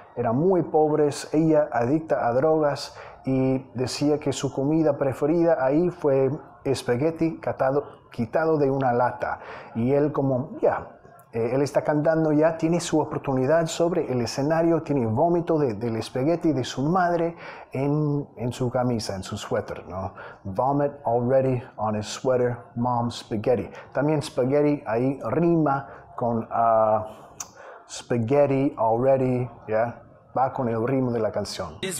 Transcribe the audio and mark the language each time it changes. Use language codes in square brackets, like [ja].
[es] Eran muy pobres, ella adicta a drogas y decía que su comida preferida ahí fue espagueti quitado de una lata. Y él como, él está cantando ya, tiene su oportunidad sobre el escenario, tiene vómito del espagueti de su madre en su camisa, en su suéter, ¿no? [en] Vomit already on his sweater, mom's spaghetti. [es] También spaghetti ahí rima con spaghetti already, ¿ya? Va con el ritmo de la canción.